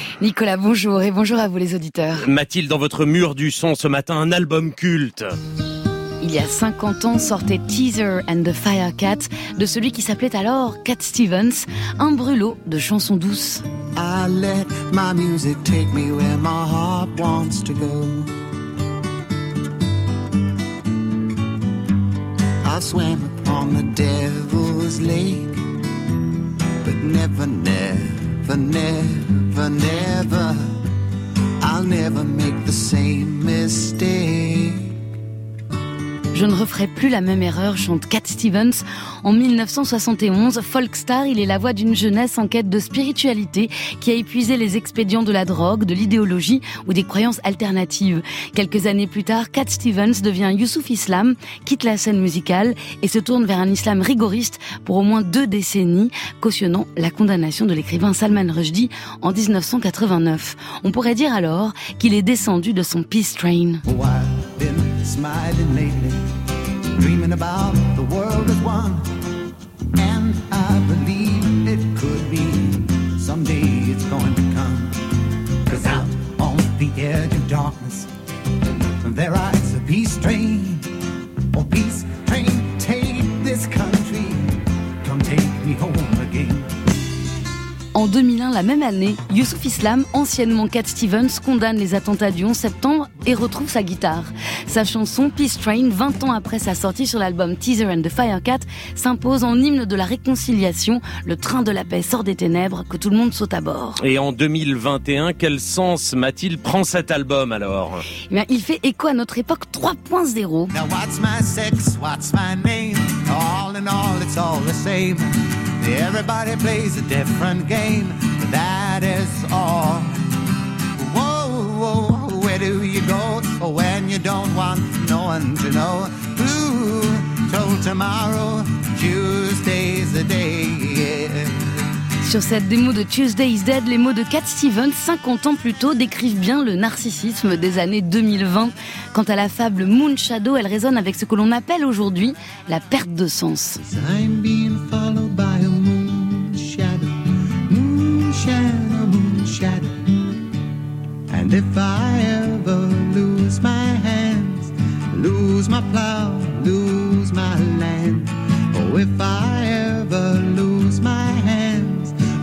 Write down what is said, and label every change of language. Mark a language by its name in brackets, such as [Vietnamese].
[French] Nicolas, bonjour et bonjour à vous les auditeurs. Mathilde, dans votre mur du son ce matin, un album culte. Il y a 50 ans sortait Teaser and the Firecat de celui qui s'appelait alors Cat Stevens, un brûlot de chansons douces. [English] I let my music take me where my heart wants to go. I swam upon the devil's lake, but never, never, never, never, I'll never make the same mistake. [French] Je ne referai plus la même erreur, chante Cat Stevens. En 1971, Folkstar, il est la voix d'une jeunesse en quête de spiritualité qui a épuisé les expédients de la drogue, de l'idéologie ou des croyances alternatives. Quelques années plus tard, Cat Stevens devient Youssouf Islam, quitte la scène musicale et se tourne vers un islam rigoriste pour au moins deux décennies, cautionnant la condamnation de l'écrivain Salman Rushdie en 1989. On pourrait dire alors qu'il est descendu de son peace train. [English] Smiling lately, dreaming about the world as one, and I believe it could be someday it's going to come. 'Cause out on the edge of darkness, there rides a peace train. Oh, peace train, take this country, come take me home again. [French] En 2001, la même année, Youssouf Islam, anciennement Cat Stevens, condamne les attentats du 11 septembre et retrouve sa guitare. Sa chanson Peace Train, 20 ans après sa sortie sur l'album Teaser and the Firecat, s'impose en hymne de la réconciliation. Le train de la paix sort des ténèbres, que tout le monde saute à bord. Et en 2021, quel sens, Mathilde, prend cet album alors ? Eh bien, il fait écho à notre époque 3.0. [English] Now what's my sex, what's my name? All in all, it's all the same. Everybody plays a different game, but that is all. Whoa, whoa, where do you go when you don't want no one to know? Ooh, till tomorrow, Tuesday's the day, yeah. [French] Sur cette démo de Tuesday is Dead, les mots de Cat Stevens, 50 ans plus tôt, décrivent bien le narcissisme des années 2020. Quant à la fable Moon Shadow, elle résonne avec ce que l'on appelle aujourd'hui la perte de sens. [English] I'm being followed by a moon shadow, moon shadow, moon shadow. And if I ever lose my hands, lose my plow, lose my land. Oh, if I ever lose my hands.